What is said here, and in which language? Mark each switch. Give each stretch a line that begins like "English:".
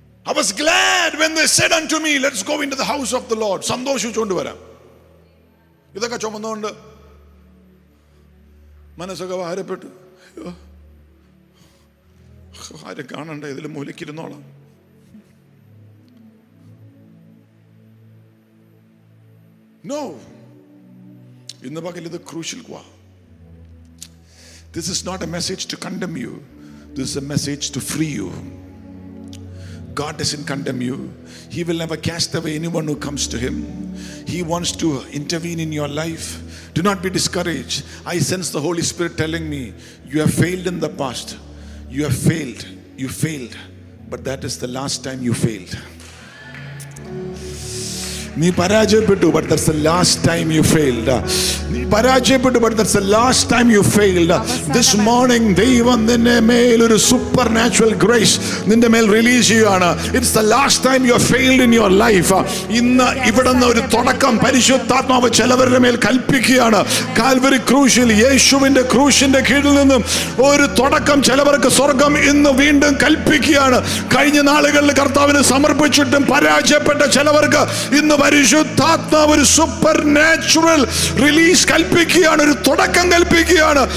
English: I was glad when they said unto me, let's go into the house of the Lord.
Malayalam: സന്തോഷിച്ചുകൊണ്ട് വരാം. ഇതൊക്കെ ചുമന്നുകൊണ്ട് മനസ്സൊക്കെ ഭാരപ്പെട്ടു, ആരും കാണണ്ട, ഇതിൽ മൂലക്കിരുന്നോളാം.
English: No.
Malayalam: ഇന്ന് പകൽ ഇത് ക്രൂശിൽ പോവാ.
English: This is not a message to condemn you. This is a message to free you. God doesn't condemn you. He will never cast away anyone who comes to him. He wants to intervene in your life. Do not be discouraged. I sense the Holy Spirit telling me, you have failed in the past. You have failed. You failed. But that is the last time you failed.
Malayalam: നീ പരാജയപ്പെട്ടു,
English: but that's the last time you failed. നീ പരാജയപ്പെട്ടു, but that's the last time you failed. This morning
Malayalam: ദൈവം നിന്റെ മേൽ ഒരു
English: supernatural grace
Malayalam: നിന്റെ മേൽ റിലീസ് ചെയ്യുകയാണ്.
English: It's the last time you failed in your life.
Malayalam: ഇന്ന് ഇവിടെ നിന്ന് ഒരു തുടക്കം പരിശുദ്ധാത്മാവ് ചിലവരുടെ മേൽ കൽപ്പിക്കുകയാണ്. കാൽവരി ക്രൂശിൽ യേശുവിന്റെ ക്രൂശിന്റെ കീഴിൽ നിന്നും ഒരു തുടക്കം ചിലവർക്ക് സ്വർഗം ഇന്ന് വീണ്ടും കൽപ്പിക്കുകയാണ്. കഴിഞ്ഞ നാളുകളിൽ കർത്താവിന് സമർപ്പിച്ചിട്ടും പരാജയപ്പെട്ട ചിലവർക്ക് ഇന്ന് പരിശുദ്ധാത്മാവ് ഒരു സൂപ്പർ നാച്ചുറൽ റിലീസ് കൽപ്പിക്കുകയാണ്, ഒരു തുടക്കം കൽപ്പിക്കുകയാണ്.